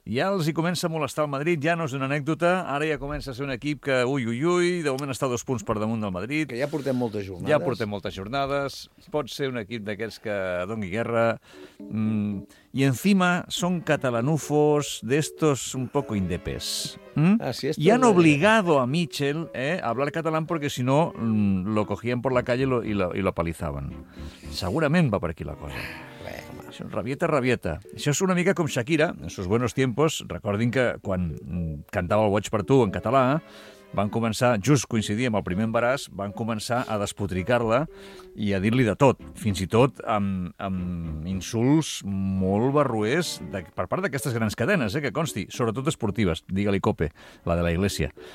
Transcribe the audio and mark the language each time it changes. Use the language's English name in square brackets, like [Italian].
[Catalan] Ja els hi comença a molestar el Madrid, ja no és una anècdota, ara ja comença a ser un equip que, ui, de moment està dos punts per damunt del Madrid. Que ja portem moltes jornades. Ja portem moltes jornades, pot ser un equip d'aquests que doni guerra. I encima són catalanufos d'estos [Spanish] un poco indepes. Así y han obligado a Michel a hablar catalán porque si no lo cogían por la calle y lo palizaban. [Catalan] Segurament va per aquí la cosa. Rabieta. Això és una mica com Shakira, [Spanish] en sus buenos tiempos. [Catalan] Recordin que quan cantava el Watch per tu en català, van començar, just coincidir amb el primer embaràs, van començar a despotricar-la i a dir-li de tot, fins i tot amb insults molt barruers per part d'aquestes grans cadenes, que consti, sobretot esportives, digue-li Cope, la de la Iglesia.